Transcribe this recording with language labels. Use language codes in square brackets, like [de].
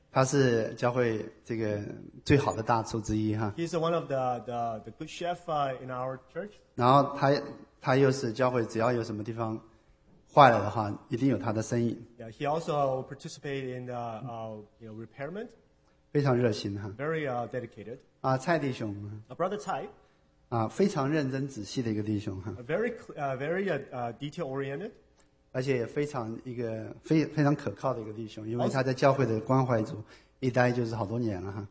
[zh] 他是教会这个最好的大厨之一哈。 [en] He is one of the good chef in our church. [zh] 然后他又是教会只要有什么地方坏了的话，一定有他的身影。 [en] Yeah, he also participate in the repairment. [zh] 非常热心哈。 [en] Very dedicated. [zh] 蔡弟兄。 [en] Brother 蔡。 [zh] 非常认真仔细的一个弟兄哈。 [en] Very detail oriented. [zh] 而且也非常一个非常可靠的一个弟兄，因为他在教会的关怀组一待就是好多年了哈。